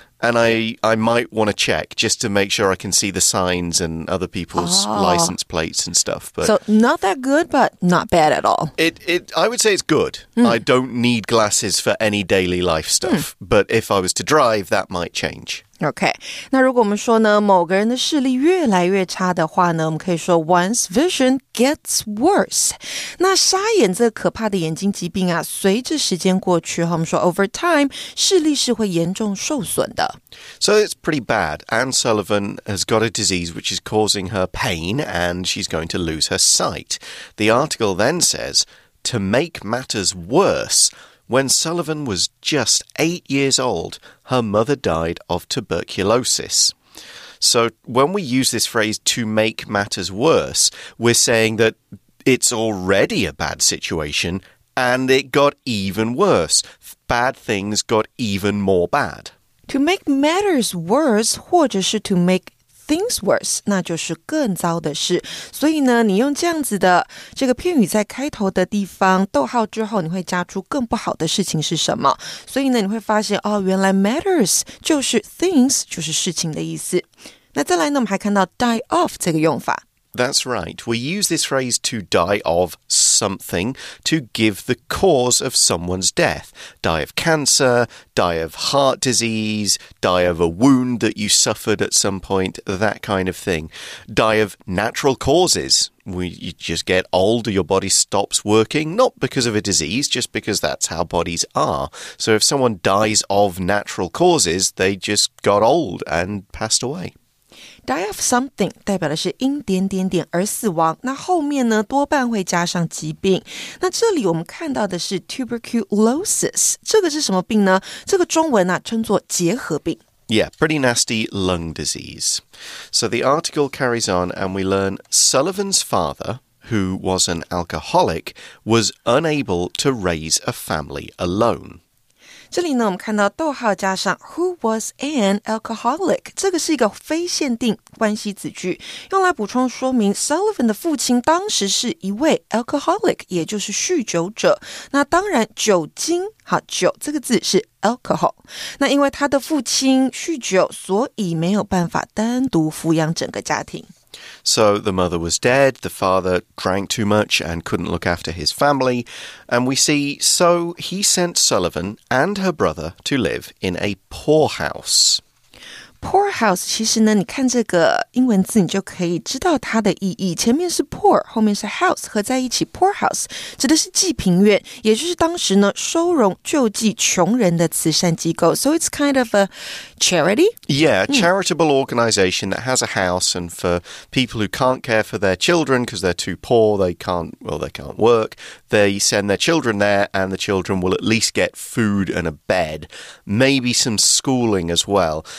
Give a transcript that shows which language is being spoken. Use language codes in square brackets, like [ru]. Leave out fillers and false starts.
[en] And I might want to check just to make sure I can see the signs and other people's、oh. license plates and stuff. But so not that good, but not bad at all. I would say it's good.、Mm. I don't need glasses for any daily life stuff.、Mm. But if I was to drive, that might change. Okay. [zh] 那如果我们说呢某个人的视力越来越差的话呢我们可以说 [en] one's vision gets worse. [zh] 那沙眼这个可怕的眼睛疾病啊随着时间过去我们说 [en] over time, [zh] 视力是会严重受损的。 [en] So it's pretty bad. Anne Sullivan has got a disease which is causing her pain and she's going to lose her sight. The article then says, to make matters worse... When Sullivan was just 8 years old, her mother died of tuberculosis. So when we use this phrase to make matters worse, we're saying that it's already a bad situation and it got even worse. Bad things got even more bad. To make matters worse, [zh] 或者是 [en] to make things worse, [zh] 那就是更糟的事。所以呢你用这样子的这个片语在开头的地方逗号之后你会加出更不好的事情是什么。所以呢你会发现哦原来 matters 就是 things, 就是事情的意思。那再来呢我们还看到 [en] die off [zh] 这个用法。 [en] That's right. We use this phrase to die of something to give the cause of someone's death. Die of cancer, die of heart disease, die of a wound that you suffered at some point, that kind of thing. Die of natural causes. You just get old, your body stops working, not because of a disease, just because that's how bodies are. So if someone dies of natural causes, they just got old and passed away. Die of something [zh] 代表的是因点点点而死亡，那后面呢多半会加上疾病。那这里我们看到的是 tuberculosis， 这个是什么病呢？这个中文呢、啊、称作结核病。 [en] Yeah, pretty nasty lung disease. So the article carries on, and we learn Sullivan's father, who was an alcoholic, was unable to raise a family alone. [zh] 这里呢我们看到逗号加上 [en] who was an alcoholic, [zh] 这个是一个非限定关系子句用来补充说明 Sullivan 的父亲当时是一位 alcoholic, 也就是酗酒者。那当然酒精好酒这个字是 alcohol, 那因为他的父亲酗酒所以没有办法单独抚养整个家庭。 [en] So the mother was dead, the father drank too much and couldn't look after his family, and we see, so he sent Sullivan and her brother to live in a poorhouse. [zh] Poorhouse, 其实呢你看这个英文字你就可以知道它的意义。前面是 poor, 后面是 house, 合在一起 poorhouse, 指的是济贫院也就是当时呢收容救济穷人的慈善机构。 [en] So it's kind of a charity? Yeah, a charitable organization that has a house and for people who can't care for their children because they're too poor, they can't work, they send their children there and the children will at least get food and a bed, maybe some schooling as well.